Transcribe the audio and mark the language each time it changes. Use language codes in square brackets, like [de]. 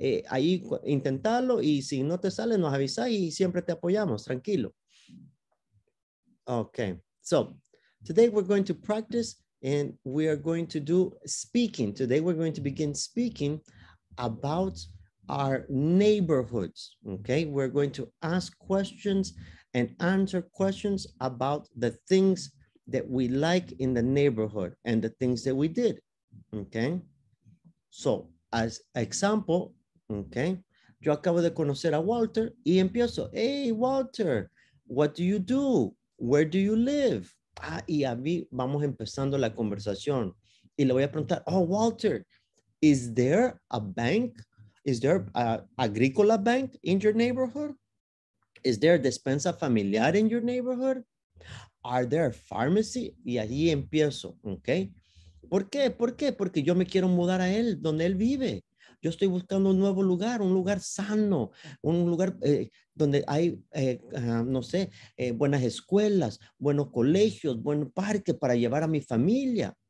[es] Ahí intentarlo y si no te sale, nos avisa y siempre te apoyamos. Tranquilo. [en] Okay, so today we're going to practice and we are going to do speaking. Today we're going to begin speaking about our neighborhoods. Okay, we're going to ask questions and answer questions about the things that we like in the neighborhood and the things that we did, okay? So, as example, okay, [es] yo acabo de conocer a Walter y empiezo, [en] hey, Walter, what do you do? Where do you live? [es] Ah, y a mí vamos empezando la conversación y le voy a preguntar, oh, Walter, [en] is there a bank? Is there a agricola bank in your neighborhood? Is there a despensa familiar in your neighborhood? Are there pharmacy? [es] Y ahí empiezo, ¿ok? ¿Por qué? ¿Por qué? Porque yo me quiero mudar a él, donde él vive. Yo estoy buscando un nuevo lugar, un lugar sano, un lugar donde hay, no sé, buenas escuelas, buenos colegios, buen parque para llevar a mi familia.